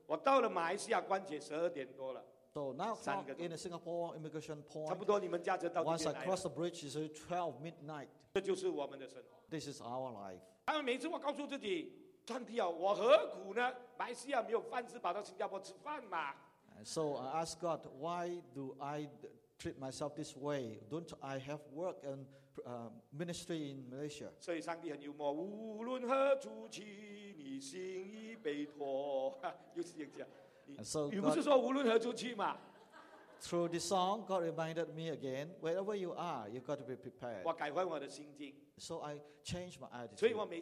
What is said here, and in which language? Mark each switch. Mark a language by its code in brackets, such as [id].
[zh] 我从那边九点大巴士，我到了马来西亚关节十二点多了。 [en] So now in the Singapore immigration point, [zh] 差不多你们驾车到这边来了。 [en] Once I cross the bridge, it's 12 midnight. [zh] 这就是我们的生活。 [en] This is our life. [zh] 但每次我告诉自己，上帝啊，我何苦呢？马来西亚没有饭吃，跑到新加坡吃饭嘛。 [en] So I ask God, why do I treat myself this way? Don't I have work and ministry in Malaysia? [zh] 所以上帝很幽默，无论何处去，你心已被托。又是这样讲，你不是说无论何处去吗？ [en] Through this song, God reminded me again, wherever you are, you've got to be prepared. [zh] 我改换我的心境。 [en] So I changed my attitude.